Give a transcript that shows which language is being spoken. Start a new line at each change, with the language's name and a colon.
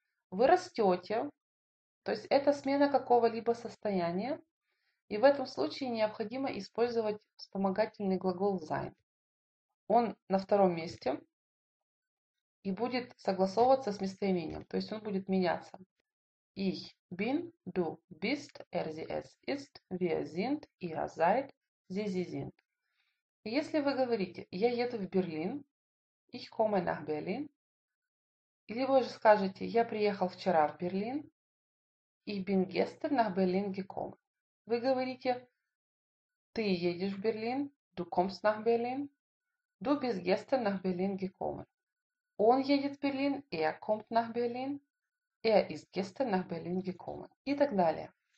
Russian: Вы растете, то есть это смена какого-либо состояния, и в этом случае необходимо использовать вспомогательный глагол sein. Он на втором месте и будет согласовываться с местоимением, то есть он будет меняться.
German: Ich bin, du bist, sie es ist, wir sind, ihr seid, sie sind.
Russian: И если вы говорите «я еду в Берлин»,
German: «ich komme nach Berlin»,
Russian: или вы же скажете «я приехал вчера в Берлин»,
German: «ich bin gestern nach Berlin gekommen»,
Russian: вы говорите «ты едешь в Берлин»,
German: «du kommst nach Berlin», «du bist gestern nach Berlin gekommen»,
Russian: «он едет в Берлин»,
German: «er kommt nach Berlin», «er ist gestern nach Berlin gekommen»
Russian: и так далее.